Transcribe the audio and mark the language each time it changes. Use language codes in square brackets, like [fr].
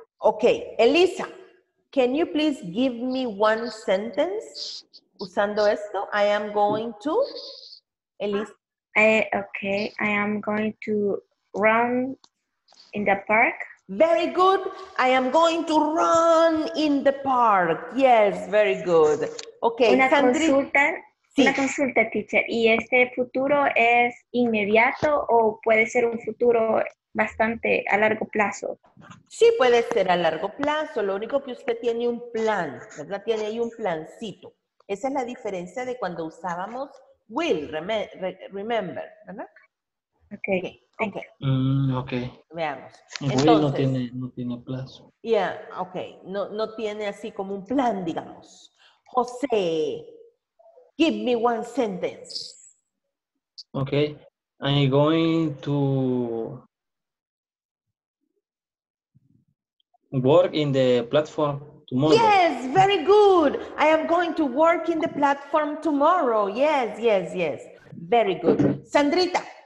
[en] Okay, Elisa, can you please give me one sentence [es] usando esto? [en] I am going to, Elisa. Okay, I am going to run in the park. Very good. I am going to run in the park. Yes, very good. Okay, [es] una Sandri. Consulta. Sí. Una consulta, teacher. ¿Y este futuro es inmediato o puede ser un futuro bastante a largo plazo? Sí, puede ser a largo plazo. Lo único que usted tiene un plan, ¿verdad? Tiene ahí un plancito. Esa es la diferencia de cuando usábamos will, remember, ¿verdad? [en] Ok. Okay. Okay. Okay. [es] Veamos. Entonces, no tiene plazo. Yeah, okay. No tiene así como un plan, digamos. José, [en] Give me one sentence. Okay, I'm going to work in the platform tomorrow. Yes, very good. I am going to work in the platform tomorrow. Yes, yes, yes. Very good. Sandrita.